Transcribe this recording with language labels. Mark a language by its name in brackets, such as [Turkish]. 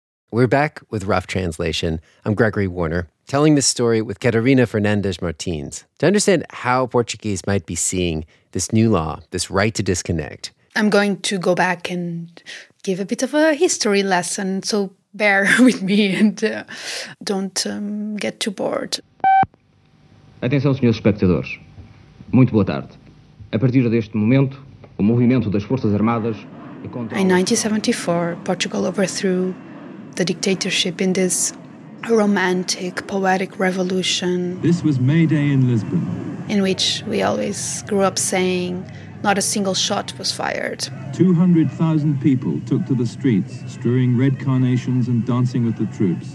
[English] We're back with Rough Translation. I'm Gregory Warner, telling this story with Catarina Fernandes Martins to understand how Portuguese might be seeing this new law, this right to disconnect. I'm going to go back and give a bit of a history lesson, so bear with me and don't get too bored. [Portuguese] Atenção, senhores espectadores. Muito boa tarde. A partir deste momento, o movimento das Forças Armadas... [English] In 1974, Portugal overthrew the dictatorship in this romantic, poetic revolution. This was May Day in Lisbon. In which we always grew up saying not a single shot was fired. 200,000 people took to the streets, strewing red carnations and dancing with the troops.